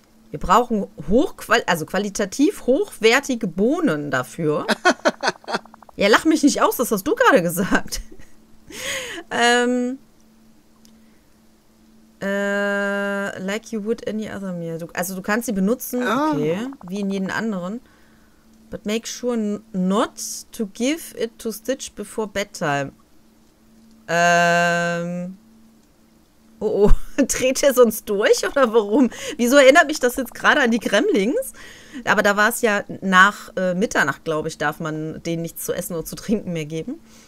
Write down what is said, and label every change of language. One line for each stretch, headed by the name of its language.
German: Wir brauchen qualitativ hochwertige Bohnen dafür. Ja, lach mich nicht aus, das hast du gerade gesagt.
English: like you would any other meal.
German: Also du kannst sie benutzen, okay, wie in jedem anderen.
English: But make sure not to give it to Stitch before bedtime.
German: Oh, dreht er sonst durch oder warum? Wieso erinnert mich das jetzt gerade an die Gremlings? Aber da war es ja nach Mitternacht, glaube ich, darf man denen nichts zu essen oder zu trinken mehr geben.